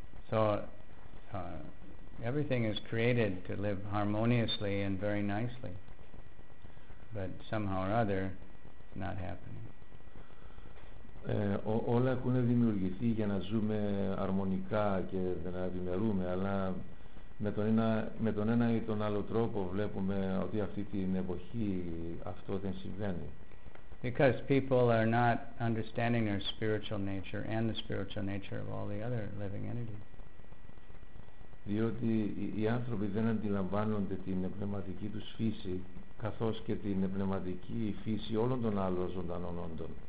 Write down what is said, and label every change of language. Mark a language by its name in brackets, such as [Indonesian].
[English] So, everything is created to live harmoniously and very nicely, but somehow or other, not happening. [Greek] Όλα έχουν δημιουργηθεί για να ζούμε αρμονικά και να ευημερούμε, αλλά με τον ένα ή τον άλλο τρόπο βλέπουμε ότι αυτή την εποχή αυτό δεν συμβαίνει. [English] Because people are not understanding their spiritual nature and the spiritual nature of all the other living entities. [Greek] Διότι οι άνθρωποι δεν αντιλαμβάνονται την πνευματική τους φύση, καθώς και την πνευματική φύση όλων των άλλων ζωντανών όντων.